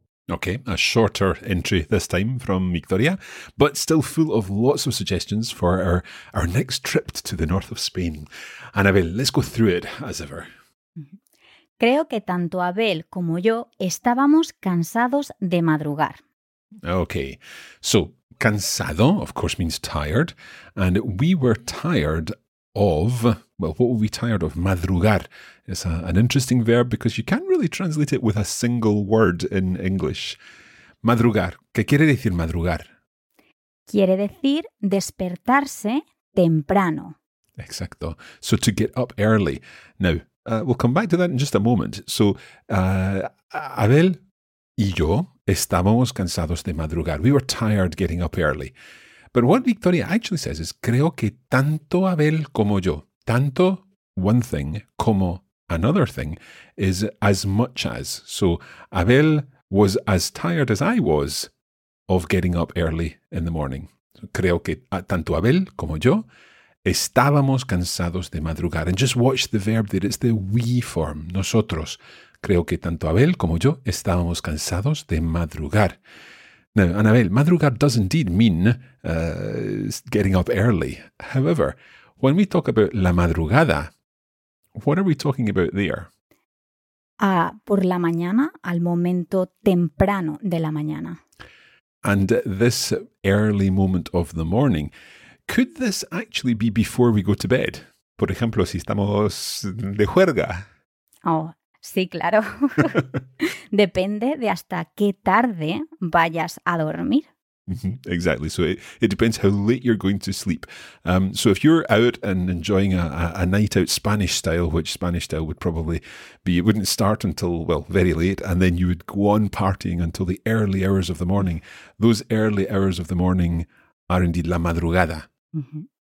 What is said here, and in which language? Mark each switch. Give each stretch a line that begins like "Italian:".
English: Okay, a shorter entry this time from Victoria, but still full of lots of suggestions for our next trip to the north of Spain. Anabel, let's go through it as ever.
Spanish: Creo que tanto Abel como yo estábamos cansados de madrugar.
English: Okay, so cansado, of course, means tired. And we were tired of, well, what were we tired of? Madrugar. It's an interesting verb because you can't really translate it with a single word in English.
Spanish: Madrugar. ¿Qué quiere decir madrugar? Quiere decir despertarse temprano.
English: Exacto. So to get up early. Now, we'll come back to that in just a moment.
Spanish: So, Abel y yo estábamos cansados de madrugar.
English: We were tired getting up early. But what Victoria actually says is,
Spanish: creo que tanto Abel como yo,
English: tanto one thing como another thing, is as much as. So Abel was as tired as I was of getting up early in the morning.
Spanish: So, creo que tanto Abel como yo estábamos cansados de madrugar.
English: And just watch the verb there. It's the we form, nosotros.
Spanish: Creo que tanto Abel como yo estábamos cansados de madrugar.
English: Now, Anabel, madrugar does indeed mean getting up early. However, when we talk about la madrugada, what are we talking about there?
Spanish: Por la mañana, al momento temprano de la mañana.
English: And this early moment of the morning, could this actually be before we go to bed?
Spanish: Por ejemplo, si estamos de juerga. Oh, sí, claro. Depende de hasta qué tarde vayas a dormir.
English: Exactly. So it depends how late you're going to sleep. So if you're out and enjoying a night out Spanish style, which Spanish style would probably be, it wouldn't start until, well, very late, and then you would go on partying until the early hours of the morning. Those early hours of the morning are indeed la madrugada. Mm-hmm.